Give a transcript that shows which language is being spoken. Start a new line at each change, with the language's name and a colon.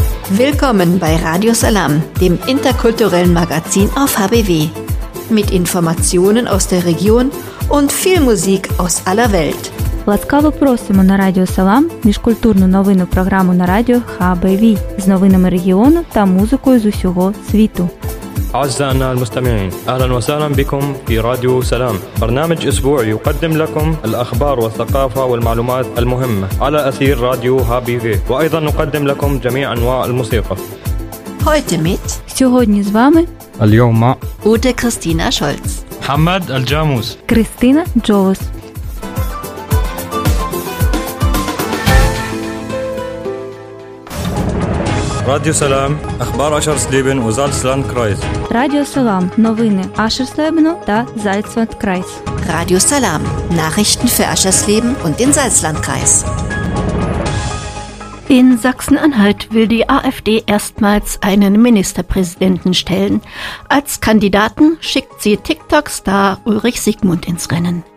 German: Willkommen bei Radio Salam, dem interkulturellen Magazin auf HBW. Mit Informationen aus der Region und viel Musik aus aller Welt.
Ukrainian: Ласкаво просимо на Радіо Салам міжкультурну новинну програму на радіо HBV з новинами регіону та музикою з усього світу.
Arabic: أعزائنا المستمعين أهلا وسهلا بكم في راديو سلام برنامج أسبوعي يقدم لكم الأخبار والثقافة والمعلومات المهمة على أثير راديو HBV وأيضا نقدم لكم جميع أنواع الموسيقى
German: Heute mit
Ukrainian: Сьогодні з вами
Arabic: اليوم مع
German: Ute Christina Scholz
Arabic: محمد الجاموس
German: Christina Jones
Ukrainian: Радіо Салам, Ахбар Ашерслібен у Зальцландкрайс. Радіо Салам, новини Ашерслібену та Зальцландкрайс.
German: Радіо Салам, Nachrichten für Ашерслібен und den Salzlandkreis. In Sachsen-Anhalt will die AfD erstmals einen Ministerpräsidenten stellen. Als Kandidaten schickt sie TikTok-Star Ulrich Siegmund ins Rennen.